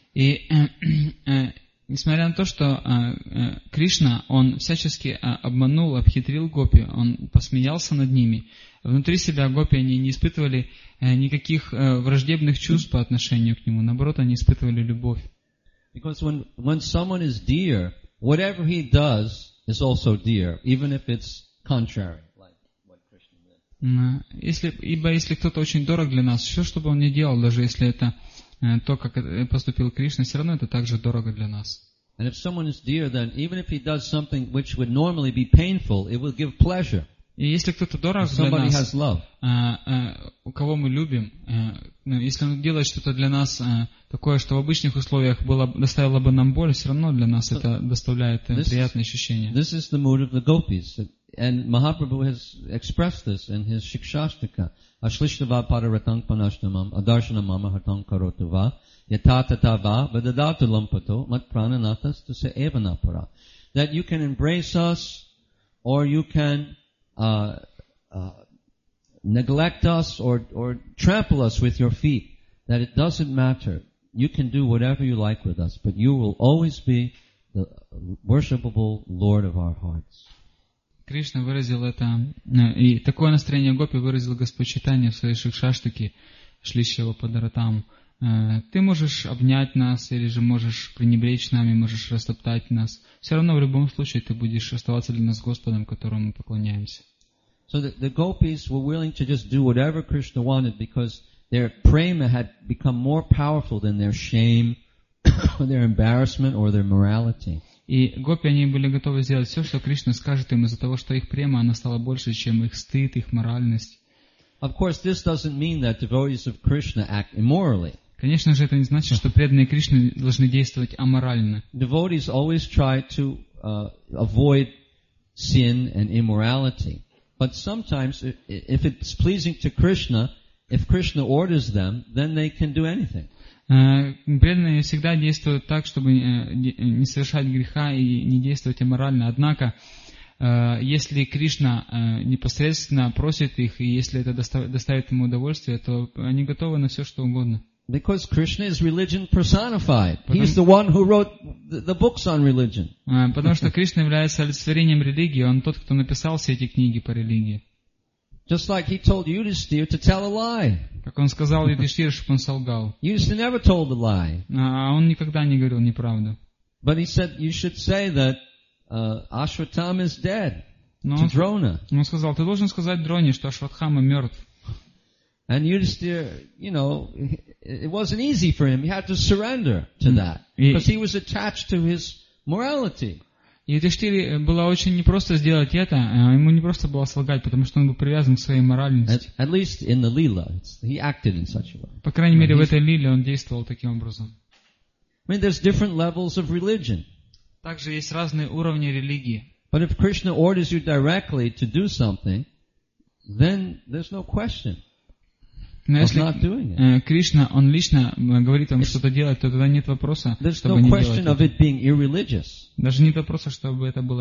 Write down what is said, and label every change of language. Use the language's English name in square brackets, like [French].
[Russian] И несмотря на то, что Кришна, он всячески обманул, обхитрил гопи, он посмеялся над ними, внутри себя гопи, они не испытывали никаких враждебных чувств по отношению к нему, наоборот, они испытывали любовь. [English] Because when someone is dear, whatever he does is also dear, even if it's contrary, like what Krishna did. [Russian] Если кто-то очень дорог для нас, все, что бы он ни делал, даже если это то, как поступил Кришна, все равно это также дорого для нас. [English] And if someone is dear, then even if he does something which would normally be painful, it will give pleasure. [Russian] И если кто-то дорог для нас, у кого мы любим, если он делает что-то для нас такое, что в обычных условиях было, доставило бы нам боль, все равно для нас это доставляет приятные ощущения. [English] This is the mood of the gopis. And Mahaprabhu has expressed this in his Shikshastika. [Sanskrit] Ашлиштава паратанг панаштамам адаршанамама хатанг каротува ятататава вададату лампато мат прананатас тусе эванапара. [English] That you can embrace us or you can neglect us or trample us with your feet, that it doesn't matter. You can do whatever you like with us, but you will always be the worshipable Lord of our hearts. [Russian] Кришна выразил это, и такое настроение гопи выразил Господь Чайтанья в своей шикшаштике, шлищего подаратам. Ты можешь обнять нас, или же можешь пренебречь нами, можешь растоптать нас. Все равно в любом случае ты будешь оставаться для нас Господом, которому мы поклоняемся. [English] So the gopis were willing to just do whatever Krishna wanted because their prema had become more powerful than their shame, their embarrassment, or their morality. [Russian] И гопи, они были готовы сделать все, что Кришна скажет им, из-за того, что их према, она стала больше, чем их стыд, их моральность. Конечно же, это не значит, что преданные Кришне должны действовать аморально. [English] Devotees always try to avoid sin and immorality. But sometimes, if it's pleasing to Krishna, if Krishna orders them, then they can do anything. [Russian] Преданные всегда действуют так, чтобы не совершать греха и не действовать аморально. Однако, если Кришна непосредственно просит их, и если это доставит ему удовольствие, то они готовы на все, что угодно. [English] Because Krishna is religion personified. He's the one who wrote the books on religion. [Russian] Потому что Кришна является олицетворением религии. Он тот, кто написал все эти книги по религии. [English] Just like he told Yudhishthira to tell a lie. [Russian] Как он сказал Юдиштхире, чтобы он солгал. [English] Yudhishthira never told a lie. [Russian] Он никогда не говорил неправду. [English] But he said you should say that Ashwatthama is dead to Drona. [Russian] Он сказал, ты должен сказать Дроне, что Ашватхама мертв. [English] And Yudhisthira, you know, it wasn't easy for him. He had to surrender to that. Because he was attached to his morality. [Russian] Yudhisthira было очень непросто сделать это, ему не просто было солгать, потому что он был привязан к своей моральности. [English] At least in the Leela, he acted in such a way. [Russian] По крайней мере, в этой Лиле он действовал таким образом. [English] I mean, there's different levels of religion. [Russian] Также есть разные уровни религии. [English] But if Krishna orders you directly to do something, then there's no question. [Russian] Но если Кришна, он лично говорит вам что-то делать, то тогда нет вопроса, чтобы не делать это. Даже нет вопроса, чтобы это было